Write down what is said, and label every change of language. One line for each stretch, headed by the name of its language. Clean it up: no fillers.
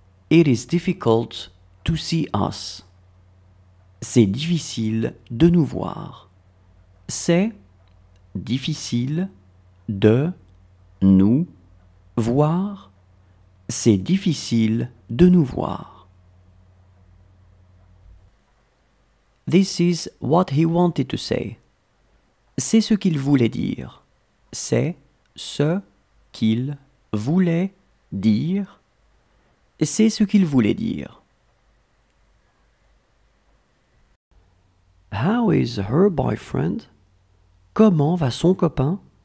English: It is difficult to see us.
French: C'est difficile de nous voir. C'est difficile de nous voir. C'est difficile de nous voir.
English: This is what he wanted to say.
French: C'est ce qu'il voulait dire. C'est ce qu'il voulait dire. C'est ce qu'il voulait dire.
English: How is her boyfriend?
French: Comment va son copain?